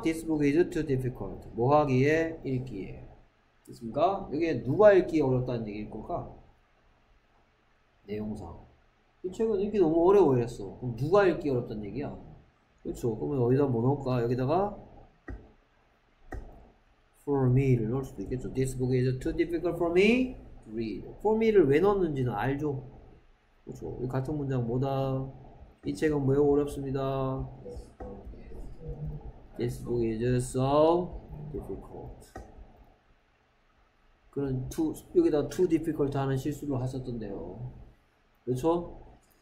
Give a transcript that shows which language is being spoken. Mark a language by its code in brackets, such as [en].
[en] This book is too difficult. [ko] 뭐 하기에? 읽기에. 됐습니까? 여기에 누가 읽기에 어렵다는 얘기일 걸까? 내용상. 이 책은 읽기 너무 어려워 이랬어. 그럼 누가 읽기 어렵단 얘기야? 그렇죠. 그러면 어디다 뭐 넣을까? 여기다가 for me를 넣을 수도 있겠죠. [en] This book is too difficult for me to read. [ko] for me를 왜 넣었는지는 알죠. 그렇죠. 같은 문장 뭐다? 이 책은 매우 어렵습니다. [en] This book is so difficult. [ko] 그런 여기다 [en] too difficult [ko] 하는 실수를 하셨던데요. 그렇죠?